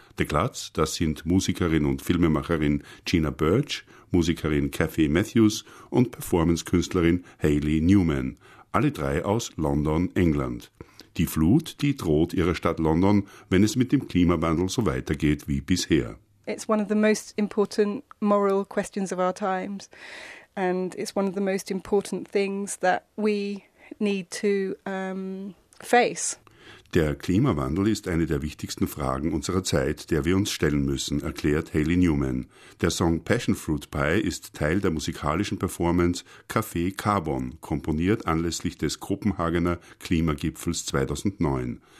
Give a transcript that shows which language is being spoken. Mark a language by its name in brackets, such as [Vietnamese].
[German] The Gluts, das sind Musikerin und Filmemacherin Gina Birch, Musikerin Cathy Matthews und Performancekünstlerin Hayley Newman, alle drei aus London, England. Die Flut, die droht ihrer Stadt London, wenn es mit dem Klimawandel so weitergeht wie bisher. [English] It's one of the most important moral questions of our times, and it's one of the most important things that we need to face. [German] Der Klimawandel ist eine der wichtigsten Fragen unserer Zeit, der wir uns stellen müssen, erklärt Hayley Newman. Der Song Passion Fruit Pie ist Teil der musikalischen Performance Café Carbon, komponiert anlässlich des Kopenhagener Klimagipfels 2009.